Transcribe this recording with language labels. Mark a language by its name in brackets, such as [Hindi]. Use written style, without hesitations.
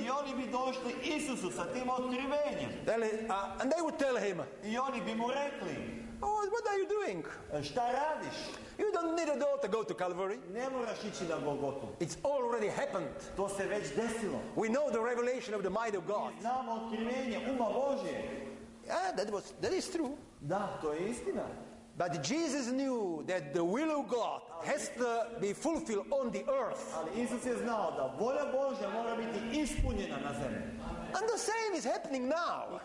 [Serbian] I oni bi došli Isusu sa tim otkrivenjem. [English] And they would tell him. [Serbian] I oni bi mu rekli. [English] Oh, what are you doing? [Serbian] Šta radiš? [English] You don't need a door to go to Calvary. [Serbian] Ne moraš ići na Golgotu. [English] It's already happened. [Serbian] To se već desilo. [English] We know the revelation of the might of God. [Serbian] Mi znamo otkrivenje uma Božje. [English] Yeah, that is true. [Serbian] Da, to je istina. [English] But Jesus knew that the will of God has to be fulfilled on the earth. [Serbian] Ali Isus je znao da volja Božja mora biti ispunjena na zemlji. [English] And the same is happening now.